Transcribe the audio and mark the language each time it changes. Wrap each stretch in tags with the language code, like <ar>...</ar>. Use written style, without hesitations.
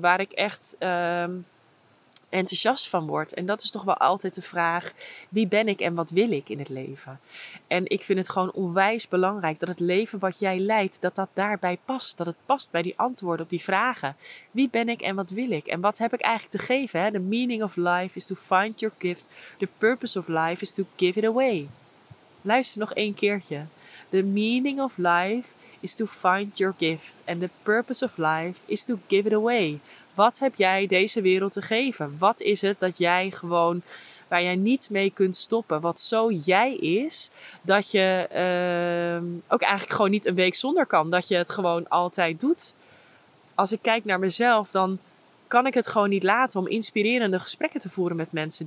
<nl>Waar ik echt enthousiast van word. En dat is toch wel altijd de vraag. Wie ben ik en wat wil ik in het leven? En ik vind het gewoon onwijs belangrijk dat het leven wat jij leidt, dat dat daarbij past. Dat het past bij die antwoorden op die vragen. Wie ben ik en wat wil ik? En wat heb ik eigenlijk te geven?</nl> <en>Hè? The meaning of life is to find your gift. The purpose of life is to give it away.</en> <nl>Luister nog één keertje.</nl> <en>The meaning of life is to find your gift. And the purpose of life is to give it away.</en> <nl>Wat heb jij deze wereld te geven? Wat is het dat jij gewoon, waar jij niet mee kunt stoppen? Wat zo jij is, dat je ook eigenlijk gewoon niet een week zonder kan. Dat je het gewoon altijd doet. Als ik kijk naar mezelf, dan kan ik het gewoon niet laten om inspirerende gesprekken te voeren met mensen.</nl>